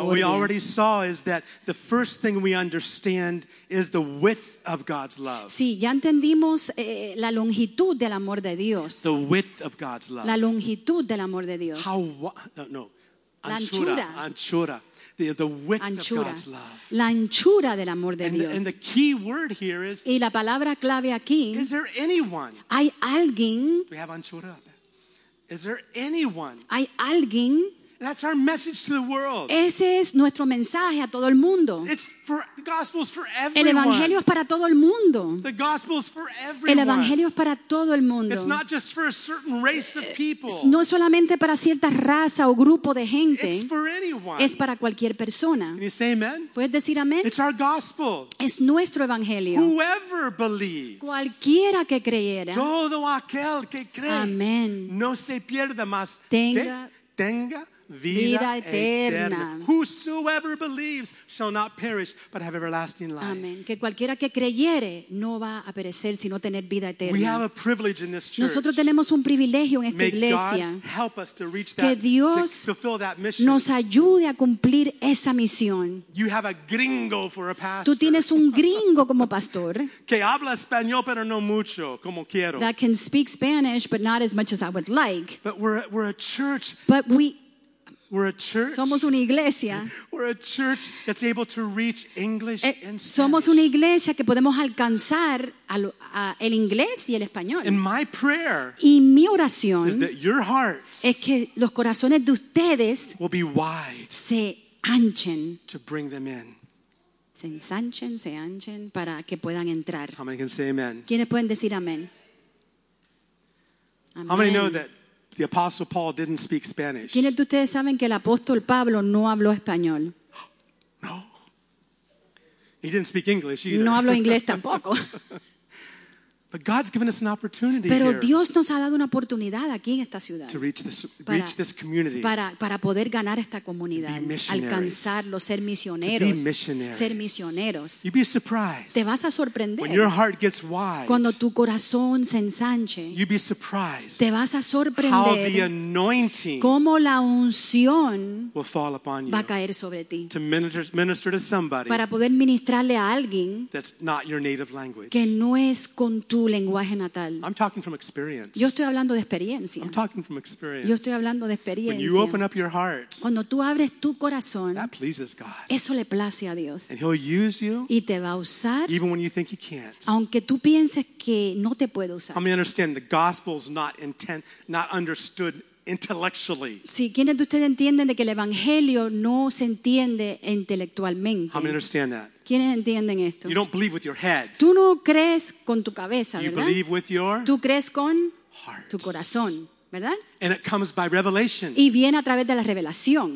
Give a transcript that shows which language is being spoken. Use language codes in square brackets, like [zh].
[en] Now what we already saw is that the first thing we understand is the width of God's love. [es] Sí, ya entendimos la longitud del amor de Dios. [en] The width of God's love. [es] La longitud del amor de Dios. [en] How no. [es] La anchura. [en] Anchura. The width anchura. Of God's love. [es] La anchura del amor de [en] and [es] Dios. [en] And the key word here is. [es] Y la palabra clave aquí. [en] Is there anyone? [es] Hay alguien. [en] We have anchura. Is there anyone? [es] Hay alguien. [en] That's our message to the world. [es] Ese es nuestro mensaje a todo el mundo. [en] It's for, the gospel's for everyone. [es] El evangelio es para todo el mundo. [en] The gospel's for everyone. [es] El evangelio es para todo el mundo. [en] It's not just for a certain race of people. [es] No es solamente para cierta raza o grupo de gente. [en] It's for anyone. [es] Es para cualquier persona. [en] Can you say amen? [es] ¿Puedes decir amén? [en] It's our gospel. [es] Es nuestro evangelio. [en] Whoever believes. [es] Cualquiera que creyera. Todo aquel que cree. Amén. No se pierda más. Tenga. Vida eterna. [en] Whosoever believes shall not perish, but have everlasting life. [es] Amen. Que cualquiera que creyere no va a perecer, sino tener vida eterna. [en] We have a privilege in this church. [es] Nosotros tenemos un privilegio en esta [en] May [es] iglesia. [en] God help us to reach that, [es] que Dios [en] to fulfill that mission. [es] Nos ayude a cumplir esa misión. [en] You have a gringo for a pastor. [es] Tú tienes un gringo como pastor. Que habla español, pero no mucho, como quiero. [en] That can speak Spanish, but not as much as I would like. But we're a church. But we We're a church. [es] Somos una iglesia. [en] We're a church that's able to reach English and Spanish. [es] Somos una iglesia que podemos alcanzar el inglés y el español. [en] And my prayer [es] y mi oración [en] is that your hearts [es] es que los corazones de ustedes [en] will be wide [es] se anchen [en] to bring them in. [es] Se ensanchen, se anchen para que puedan entrar. [en] How many can say amen? [es] ¿Quiénes pueden decir amén? [en] How many know that the Apostle Paul didn't speak Spanish? [es] ¿Quiénes de ustedes saben que el apóstol Pablo no habló español? [en] No. He didn't speak English either. [es] No habló inglés tampoco. [en] But God's given us an opportunity. [es] Pero [en] here [es] Dios nos ha dado una oportunidad aquí en esta ciudad. [en] To reach this community. [es] Para poder ganar esta comunidad. [en] Be missionaries. [es] Alcanzarlo, ser misioneros. [en] To be missionaries. [es] Ser misioneros. [en] You'd be surprised. [es] Te vas a sorprender. [en] When your heart gets wide. [es] Cuando tu corazón se ensanche. [en] You'd be surprised. [es] Te vas a sorprender. [en] How the anointing. [es] Cómo la unción. [en] Will fall upon you. [es] Va a caer sobre ti. [en] To minister to somebody. [es] Para poder ministrarle a alguien. [en] That's not your native language. [es] Que no es con tu lenguaje natal. [en] I'm talking from experience. [es] Yo estoy hablando de experiencia. [en] I'm talking from experience. [es] Yo estoy hablando de experiencia. [en] When you open up your heart, [es] cuando tú abres tu corazón, [en] that pleases God. [es] Eso le place a Dios. [en] And he'll use you, [es] y te va a usar, [en] even when you think he can't. [es] Aunque tú pienses que no te puede usar. [en] I mean, understand the gospel's not understood intellectually. [es] Sí, ¿quiénes de ustedes entienden de que el evangelio no se entiende intelectualmente? [en] How many understand that? [es] ¿Quiénes entienden esto? [en] You don't believe with your head. [es] Tú no crees con tu cabeza, [en] you [es] ¿verdad? [en] Believe with your [es] tú crees con [en] heart. [es] Tu corazón, ¿verdad? [en] And it comes by revelation. [es] Y viene a través de la revelación.